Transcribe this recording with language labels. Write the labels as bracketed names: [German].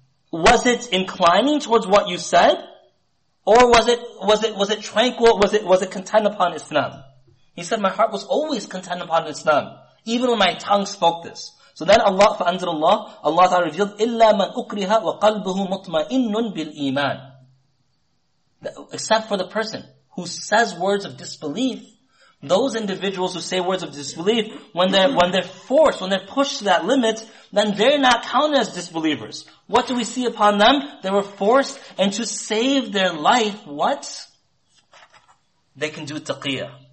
[English] Was it inclining towards what you said? Or was it tranquil? Was it content upon Islam? He said, my heart was always content upon Islam, even when my tongue spoke this. So then Allah, [Arabic] فَأَنزَلَ اللَّهُ, [English] Allah Ta'ala revealed, [Arabic] إِلَّا مَنْ أُكْرِهَ وَقَلْبُهُ مُطْمَئِنٌ بِالْإِيمَانِ. [English] Except for the person who says words of disbelief. Those individuals who say words of disbelief, when they're pushed to that limit, then they're not counted as disbelievers. What do we see upon them? They were forced, and to save their life, what? They can do taqiyya.